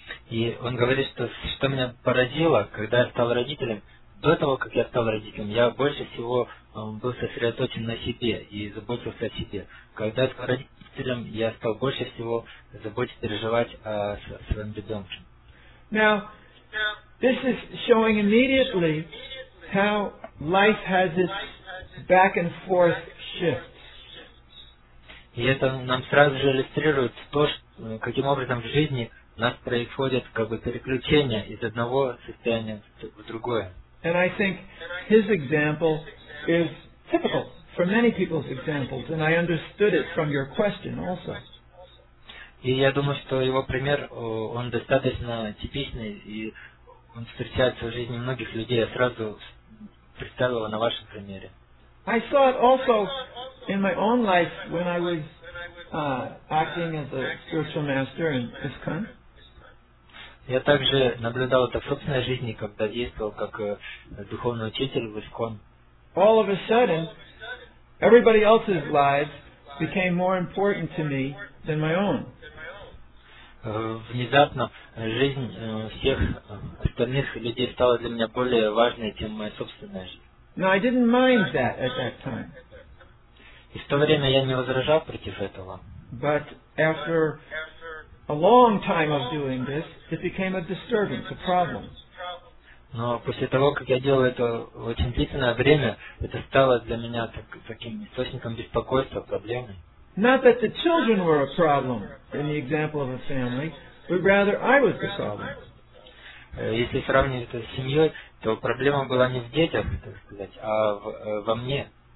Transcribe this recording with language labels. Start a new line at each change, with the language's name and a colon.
Russian: И он говорит, что меня поразило, когда я стал родителем. До того, как я стал родителем, я больше всего был сосредоточен на себе и заботился о себе. Когда я стал родителем, я стал больше всего заботиться, переживать о своем ребенке.
English: Now, this is showing immediately how life has its back and forth shifts.
Russian: И это нам сразу же иллюстрирует то, каким образом в жизни у нас происходят как бы переключения из одного состояния в другое.
English: And I think his example is typical for many people's examples, and I understood it from your question also.
Russian: И я думаю, что его пример, он достаточно типичный, и он встречается в жизни многих людей. Я сразу представила на вашем примере.
English: I saw it also in my own life when I was acting as a spiritual master in ISKCON.
Russian: Я также наблюдал это в собственной жизни, когда действовал как духовный учитель в ИСККОН.
English: All of a sudden, everybody else's lives became more important to me than my own.
Russian: Внезапно жизнь всех остальных людей стала для меня более важной, чем моя собственная жизнь.
English: Now, I didn't mind that at that time.
Russian: И в то время я не возражал против этого.
English: But after a long time of doing this, it became a disturbance, a problem.
Russian: Но после того, как я делал это очень длительное время, это стало для меня таким источником беспокойства, проблемой.
English: Not that the children were a problem in the example of a family, but rather I was the problem.
Russian: Если сравнивать это с семьей, то проблема была не в детях, так сказать, а во мне.